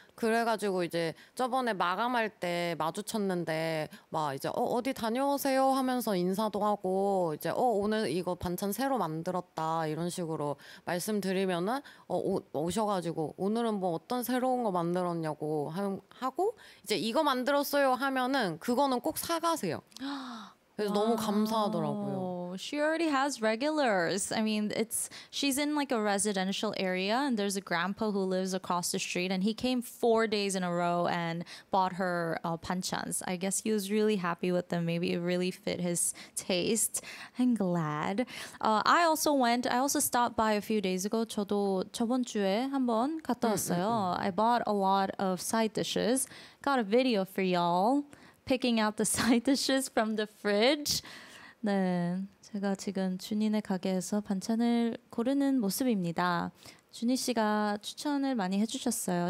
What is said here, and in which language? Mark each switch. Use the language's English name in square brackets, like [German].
[Korean] 그래가지고 이제 저번에 마감할 때 마주쳤는데 막 이제 어디 다녀오세요 하면서 인사도 하고 이제 오늘 이거 반찬 새로 만들었다 이런 식으로 말씀드리면은 오셔가지고 오늘은 뭐 어떤 새로운 거 만들었냐고 하고 이제 이거 만들었어요 하면은 그거는 꼭 사가세요. 그래서 너무 감사하더라고요. [English] 와우, she already has regulars. I mean, she's in like a residential area, and there's a grandpa who lives across the street, and he came 4 days in a row and bought her banchans. I guess he was really happy with them. Maybe it really fit his taste. I'm glad. I also stopped by a few days ago. [Korean] 저도 저번 주에 한번 갔다 왔어요. [English] I bought a lot of side dishes. Got a video for y'all. Picking out the side dishes from the fridge. [Korean] 네, 제가 지금 준이네 가게에서 반찬을 고르는 모습입니다. 준이 씨가 추천을 많이 해주셨어요.